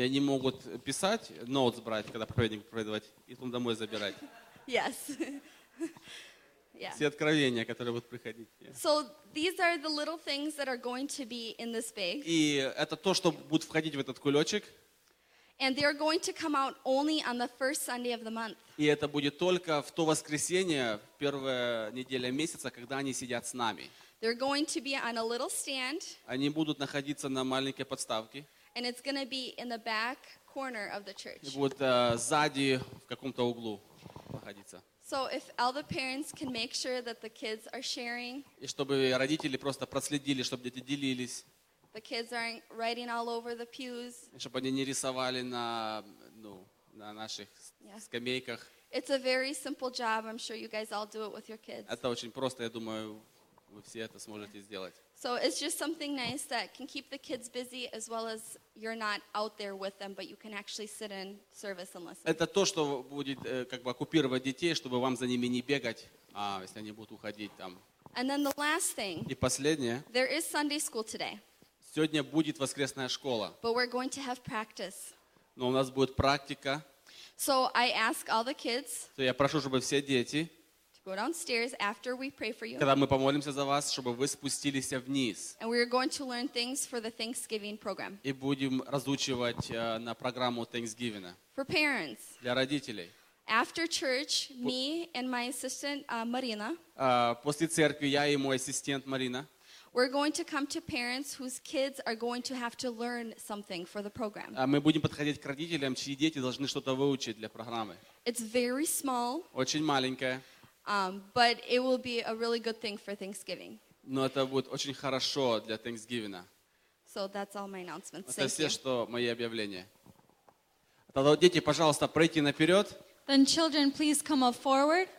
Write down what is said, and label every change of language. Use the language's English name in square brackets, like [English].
[Russian] они могут писать, ноут брать, когда проповедник проповедовать, и потом домой забирать. [English] Yes. Yeah. [Russian] Все откровения, которые будут приходить. [English] Yeah. So these are the little things that are going to be in this bag. [Russian] И это то, что будет входить в этот кулечек. [English] And they are going to come out only on the first Sunday of the month. [Russian] И это будет только в то воскресенье, в первая неделя месяца, когда они сидят с нами. [English] They're going to be on a little stand. [Russian] Они будут находиться на маленькой подставке. [English] And it's going to be in the back corner of the church. [Russian] И будет сзади в каком-то углу находиться. [English] So if all the parents can make sure that the kids are sharing. [Russian] И чтобы родители просто проследили, чтобы дети делились. [English] The kids are writing all over the pews. [Russian] Чтобы они не рисовали на, ну, на наших yeah. скамейках. [English] It's a very simple job. I'm sure you guys all do it with your kids. [Russian] Это очень просто, я думаю, вы все это сможете yeah. сделать. [English] So it's just something nice that can keep the kids busy as well as you're not out there with them, but you can actually sit in service and listen. [Russian] Это то, что будет как бы оккупировать детей, чтобы вам за ними не бегать, а если они будут уходить там. [English] And then the last thing. [Russian] И последнее. [English] There is Sunday school today. [Russian] Сегодня будет воскресная школа. [English] But we're going to have practice. [Russian] Но у нас будет практика. [English] So I ask all the kids. [Russian] То я прошу, чтобы все дети. [English] To go downstairs after we pray for you. [Russian] Когда мы помолимся за вас, чтобы вы спустились вниз. [English] And we're going to learn things for the Thanksgiving program. [Russian] И будем разучивать на программу Thanksgiving. [English] For parents. [Russian] Для родителей. [English] After church, me and my assistant Marina. [Russian] После церкви я и мой ассистент Марина. [English] We're going to come to parents whose kids are going to have to learn something for the program. [Russian] Мы будем подходить к родителям, чьи дети должны что-то выучить для программы. [English] It's very small. [Russian] Очень маленькое. [English] But it will be a really good thing for Thanksgiving. [Russian] Но это будет очень хорошо для Thanksgiving. [English] So that's all my announcements. [Russian] Это все, что мои объявления. Тогда дети, пожалуйста, пройдите наперед. [English] Then children, please come up forward.